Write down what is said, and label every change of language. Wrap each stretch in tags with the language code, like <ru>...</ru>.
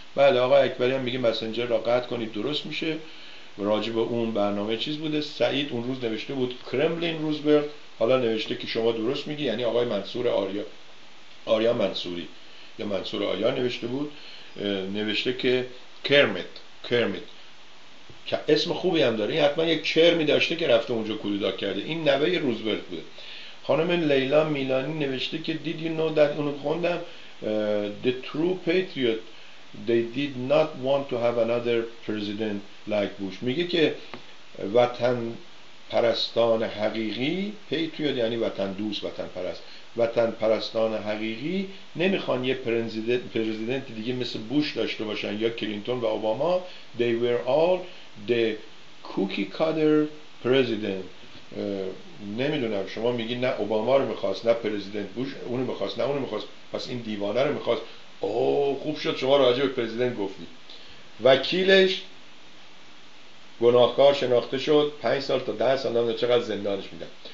<fa>بله آقای اکبری هم میگه مسنجر را قطع کنید درست میشه. راجع به اون برنامه چیز بوده، سعید اون روز نوشته بود کرملین روزبرگ، حالا نوشته که شما درست میگی، یعنی آقای منصور آریا، آریا منصوری یا منصور آریا نوشته بود، نوشته که کرمت، کرمت که اسم خوبی هم داره، این حتما یک چرمی داشته که رفته اونجا کودتا کرده، این نوه روزبرگ بوده. خانم لیلا میلانی نوشته که</fa> <en>did you know that,</en> <fa>اونو خوندم،</fa> <en>the true patriot they did not want to have another president like Bush.</en> <fa>میگه که وطن پرستان حقیقی، پیتریوت یعنی وطن دوست، وطن پرست، وطن پرستان حقیقی نمیخوان یه پرزیدنت دیگه مثل بوش داشته باشن یا کلینتون و اوباما.</fa> <en>they were all the cookie cutter president.</en> <fa>نمیدونم، شما میگی نه اوباما رو میخواست نه پرزیدنت بوش، اونو میخواست نه اونو میخواست، پس این دیوانه رو میخواست. اوه خوب شد شما راجع به پرزیدنت گفتی. وکیلش گناهکار شناخته شد، 5 سال تا 10 سال نمیدونم چقدر زندانش میدن.</fa>